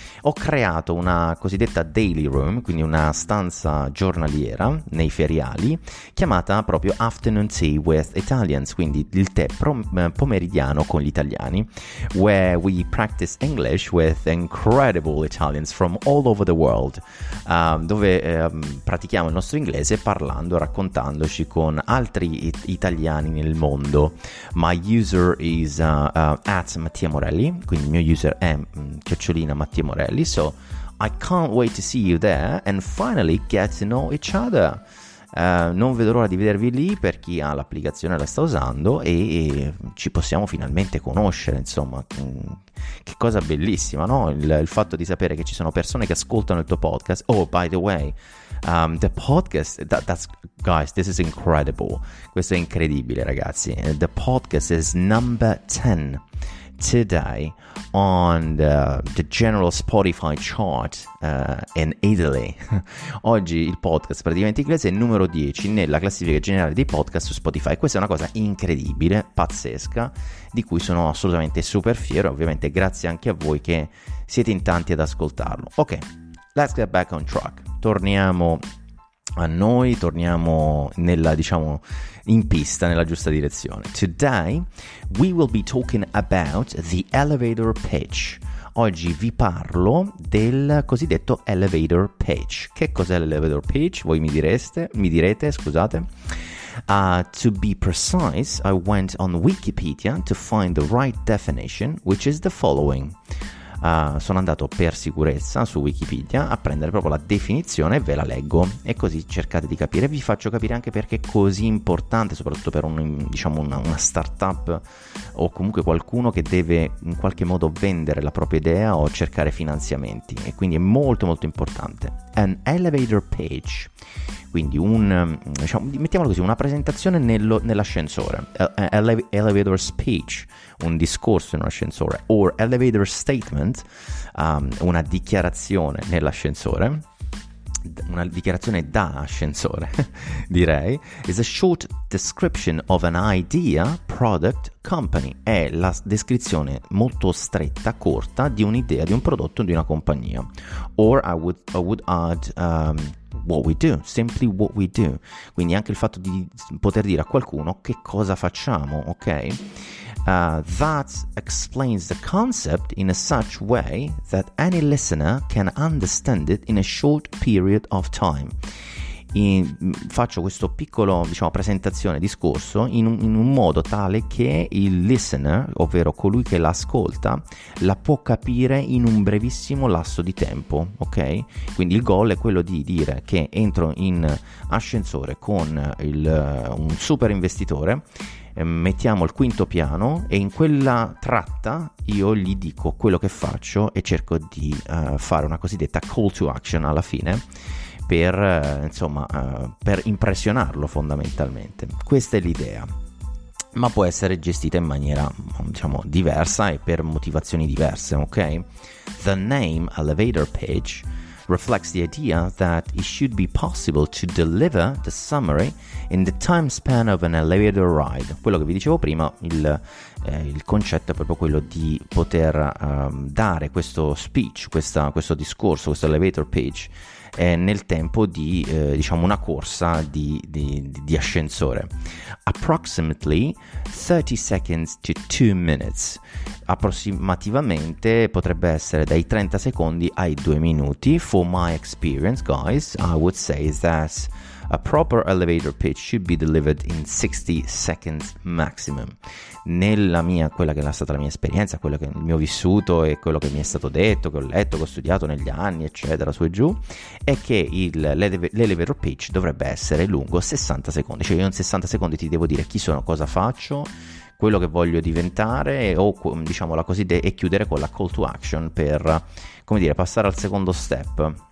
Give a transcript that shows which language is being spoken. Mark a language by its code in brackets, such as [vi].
[it] Ho creato una cosiddetta daily room, quindi una stanza giornaliera nei feriali, chiamata proprio Afternoon Tea with Italians, quindi il tè pomeridiano con gli italiani, [en] where we practice English with incredible Italians from all over the world, [it] dove pratichiamo il nostro inglese parlando, raccontandoci con altri italiani nel mondo. [en] My user is at [it] Mattia Morelli, quindi il mio user è chiocciolina Mattia Morelli. [en] So I can't wait to see you there and finally get to know each other. [it] Non vedo l'ora di vedervi lì, per chi ha l'applicazione la sta usando, e ci possiamo finalmente conoscere, insomma. Che cosa bellissima, no? Il fatto di sapere che ci sono persone che ascoltano il tuo podcast. [en] Oh, by the way, the podcast, that's, guys, this is incredible. [it] Questo è incredibile, ragazzi. [en] The podcast is number 10 today on the general Spotify chart in Italy. [it] Oggi il podcast Praticamente Inglese è numero 10 nella classifica generale dei podcast su Spotify. Questa è una cosa incredibile, pazzesca, di cui sono assolutamente super fiero. Ovviamente grazie anche a voi che siete in tanti ad ascoltarlo. [en] Ok, let's get back on track. [it] Torniamo a noi, torniamo nella, diciamo, in pista, nella giusta direzione. [en] Today we will be talking about the elevator pitch. [it] Oggi vi parlo del cosiddetto elevator pitch. Che cos'è l'elevator pitch? Voi mi direte, scusate. [en] To be precise, I went on Wikipedia to find the right definition, which is the following. [it] Sono andato per sicurezza su Wikipedia a prendere proprio la definizione e ve la leggo, e così cercate di capire. Vi faccio capire anche perché è così importante, soprattutto per una startup o comunque qualcuno che deve in qualche modo vendere la propria idea o cercare finanziamenti, e quindi è molto molto importante. An elevator pitch, quindi un, diciamo, mettiamolo così, una presentazione nell'ascensore. Elevator speech, un discorso in un ascensore. Or elevator statement, una dichiarazione nell'ascensore. una dichiarazione da ascensore, direi, [en] is a short description of an idea, product, company. [it] È la descrizione molto stretta, corta, di un'idea, di un prodotto, di una compagnia. [en] Or I would add what we do, simply what we do. [it] Quindi anche il fatto di poter dire a qualcuno che cosa facciamo, ok? [en] That explains the concept in a such way that any listener can understand it in a short period of time. [it] Faccio questo piccolo, diciamo, presentazione, discorso in un modo tale che il listener, ovvero colui che l'ascolta, la può capire in un brevissimo lasso di tempo, ok? Quindi il goal è quello di dire che entro in ascensore con un super investitore, mettiamo il quinto piano, e in quella tratta io gli dico quello che faccio e cerco di fare una cosiddetta call to action alla fine per impressionarlo fondamentalmente. Questa è l'idea, ma può essere gestita in maniera, diciamo, diversa e per motivazioni diverse, ok? [en] The name elevator pitch reflects the idea that it should be possible to deliver the summary in the time span of an elevator ride. [it] Quello che vi dicevo prima, il concetto è proprio quello di poter dare questo speech, questo discorso, questo elevator pitch nel tempo di, diciamo, una corsa di ascensore. [en] Approximately 30 seconds to 2 minutes. [it] Approssimativamente potrebbe essere dai 30 secondi ai 2 minuti. [en] For my experience, guys, I would say that a proper elevator pitch should be delivered in 60 seconds maximum. [it] Quella che è stata la mia esperienza, quello che è il mio vissuto e quello che mi è stato detto, che ho letto, che ho studiato negli anni, eccetera, su e giù, è che l'elevator pitch dovrebbe essere lungo 60 secondi. Cioè io in 60 secondi ti devo dire chi sono, cosa faccio, quello che voglio diventare, o diciamo la cosiddetta, e chiudere con la call to action per, come dire, passare al secondo step.